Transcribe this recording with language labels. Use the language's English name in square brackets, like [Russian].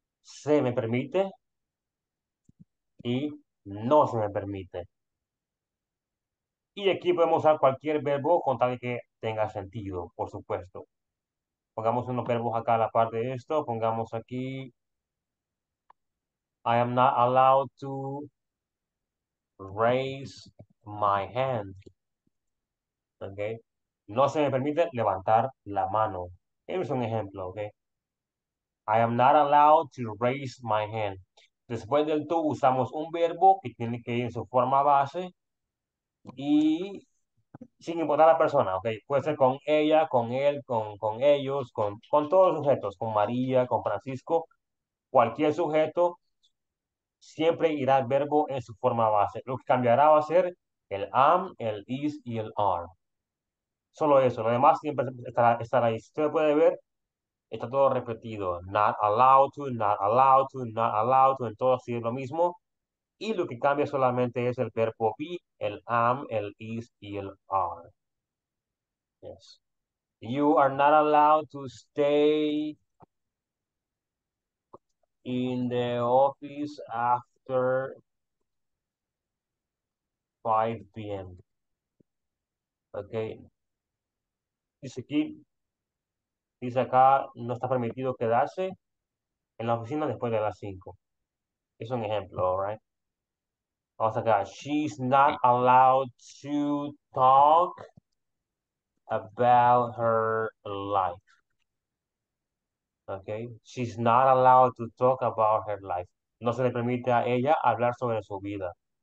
[Spanish] Se me permite y no se me permite. Y aquí podemos usar cualquier verbo con tal de que tenga sentido, por supuesto. Pongamos unos verbos acá a la parte de esto. Pongamos aquí. [English] I am not allowed to raise my hand. Okay. [Spanish] No se me permite levantar la mano. Es un ejemplo. [English] Okay. I am not allowed to raise my hand. [Spanish] Después del to usamos un verbo que tiene que ir en su forma base. Y sin importar la persona, okay, puede ser con ella, con él, con ellos, con todos los sujetos, con María, con Francisco, cualquier sujeto, siempre irá el verbo en su forma base. Lo que cambiará va a ser el am, el is y el are. Solo eso, lo demás siempre estará ahí. Si usted puede ver, está todo repetido. [English] Not allowed to, not allowed to, not allowed to, [Spanish] en todo sigue lo mismo. Y lo que cambia solamente es el verbo be, el am, el is y el are. [English] Yes. You are not allowed to stay in the office after 5 p.m. Okay. [Spanish] Dice aquí, dice acá, no está permitido quedarse en la oficina después de las 5. Es un ejemplo, right? Vamos acá. [English] She's not allowed to talk about her life. Okay? She's not allowed to talk about her life. [Spanish] No se le permite a ella hablar sobre su vida.